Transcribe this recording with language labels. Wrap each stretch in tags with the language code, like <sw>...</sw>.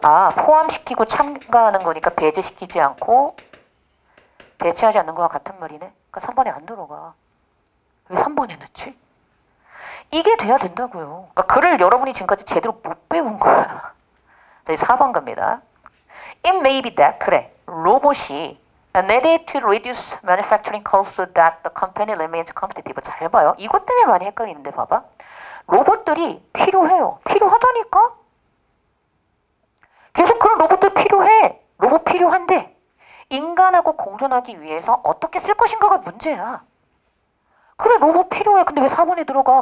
<ko>아, 포함시키고 참가하는 거니까 배제시키지 않고 대체하지 않는 거와 같은 말이네. 그러니까 3번에 안 들어가. 왜 3번에 넣지? 이게 돼야 된다고요. 그러니까 글을 여러분이 지금까지 제대로 못 배운 거야. 자, 이제 4번 갑니다.</ko> <en>It may be that,</en> <ko>그래, 로봇이</ko> <en>And they need to reduce manufacturing costs so that the company remains competitive.</en> <ko>잘 봐요. 이것 때문에 많이 헷갈리는데 봐봐. 로봇들이 필요해요. 필요하다니까. 계속 그런 로봇들 필요해. 로봇 필요한데 인간하고 공존하기 위해서 어떻게 쓸 것인가가 문제야. 그래 로봇 필요해. 근데 왜 4번에 들어가?</ko>